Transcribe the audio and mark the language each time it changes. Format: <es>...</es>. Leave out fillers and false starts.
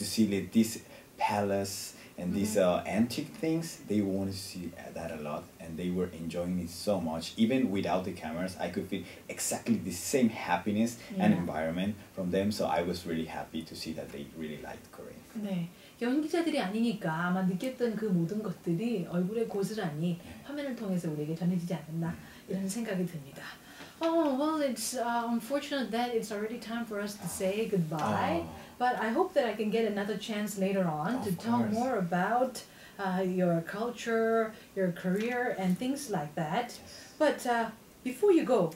<en>to see like, this palace and mm-hmm. these antique things. They wanted to see that a lot, and they were enjoying it so much. Even without the cameras, I could feel exactly the same happiness yeah. and environment from them. So I was really happy to see that they really liked Korea.</en> <ko>네. 연기자들이 아니니까 아마 느꼈던 그 모든 것들이 얼굴에 고스란히 화면을 통해서 우리에게 전해지지 않았나 이런 생각이 듭니다.</ko> <en>Oh, well, it's unfortunate that it's already time for us to say goodbye. But I hope that I can get another chance later on to talk more about your culture, your career, and things like that. Yes. But before you go,</en>